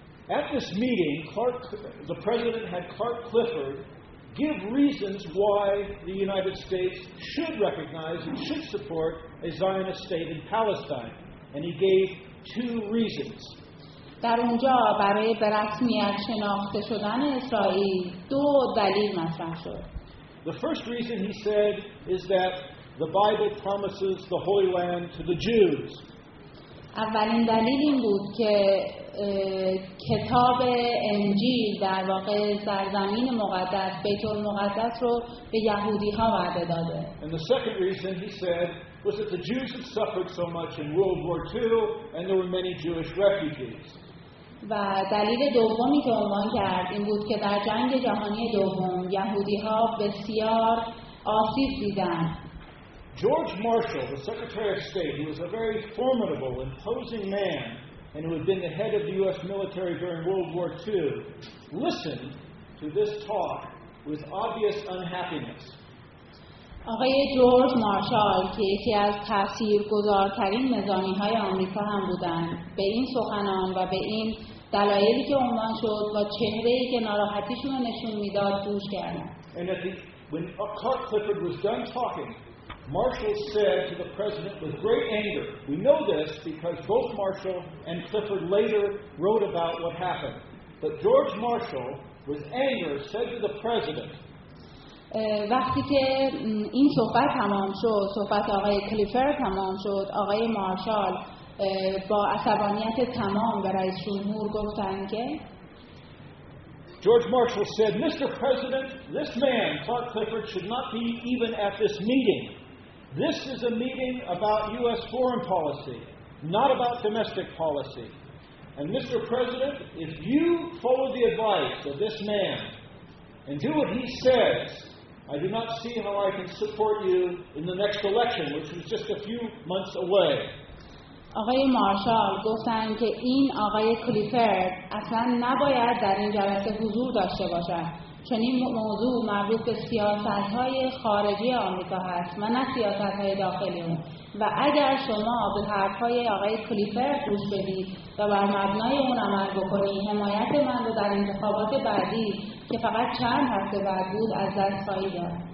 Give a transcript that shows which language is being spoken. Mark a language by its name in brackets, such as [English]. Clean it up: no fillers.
[English] At this meeting, the president had Clark Clifford give reasons why the United States should recognize and should support a Zionist state in Palestine, and he gave two reasons. [Persian] در اونجا برای برسمیت شناخته شدن اسرائیل دو دلیل مطرح شد. [English] The first reason he said is that the Bible promises the Holy Land to the Jews. [Persian] اولین دلیل این بود که کتاب انجیل در واقع سرزمین مقدس بیت المقدس رو به یهودی ها وعده داده. [English] And the second reason he said was that the Jews had suffered so much in World War II and there were many Jewish refugees. [Persian] و دلیل دومی که عنوان کرد این بود که در جنگ جهانی دوم یهودی ها بسیار آسیب دیدن. [English] George Marshall, the Secretary of State, who was a very formidable, imposing man, and who had been the head of the U.S. military during World War II, listened to this talk with obvious unhappiness. [Persian] آقای جورج مارشال که یکی از تاثیرگذارترین نظامی‌های آمریکا هم بودند، به این سخنان و به این دلایلی که عنوان شد و چهره‌ای که ناراحتیشون رو نشون می‌داد، گوش کردند. [English] And at the, when Clark Clifford was done talking, Marshall said to the president with great anger. We know this because both Marshall and Clifford later wrote about what happened. But George Marshall, with anger, said to the president. [Persian] وقتی که این صحبت تمام شد، صحبت آقای کلیفورد تمام شد، آقای مارشال با عصبانیت تمام به رئیس جمهور گفتند که [English] George Marshall said, "Mr. President, this man, Clark Clifford, should not be even at this meeting. This is a meeting about U.S. foreign policy, not about domestic policy. And Mr. President, if you follow the advice of this man and do what he says, I do not see how I can support you in the next election, which is just a few months away." [Persian] آقای مارشال گفتند که این آقای کلیفورد اصلا نباید در این جلسه حضور داشته باشد. چون این موضوع مربوط به سیاست‌های خارجی آمریکا هست و نه سیاست‌های داخلی اون. و اگر شما به حرف‌های آقای کلیفورد گوش بدید و بر مبنای اون عمل بکنید، حمایت من رو در انتخابات بعدی که فقط چند هفته بعد بود از دست خواهید داد.